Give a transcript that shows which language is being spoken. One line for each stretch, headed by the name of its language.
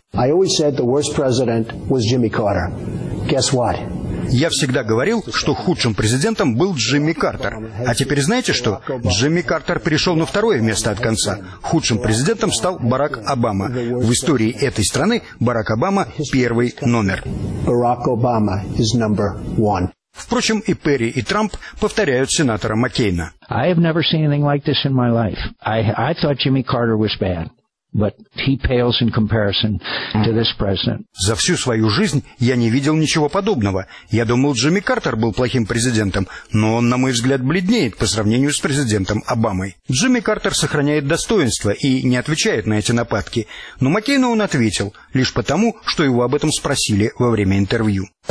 English: I always said the worst president was Jimmy Carter. Guess what?
Russian: Я всегда говорил, что худшим президентом был Джимми Картер. А теперь знаете что? Джимми Картер перешел на второе место от конца. Худшим президентом стал Барак Обама. В истории этой страны Барак Обама первый номер.
English: Барак Обама is number one.
Russian: Впрочем, и Перри, и Трамп повторяют сенатора Маккейна.
English: I have never seen anything like this in my life. I thought Jimmy Carter was bad. But he pales in comparison to this president.
Russian: За всю свою жизнь я не видел ничего подобного. Я думал, Джимми Картер был плохим президентом, но он, на мой взгляд, бледнеет по сравнению с президентом Обамой. Джимми Картер сохраняет достоинство и не отвечает на эти нападки. Но Маккейну он ответил, лишь потому, что его об этом спросили во время интервью.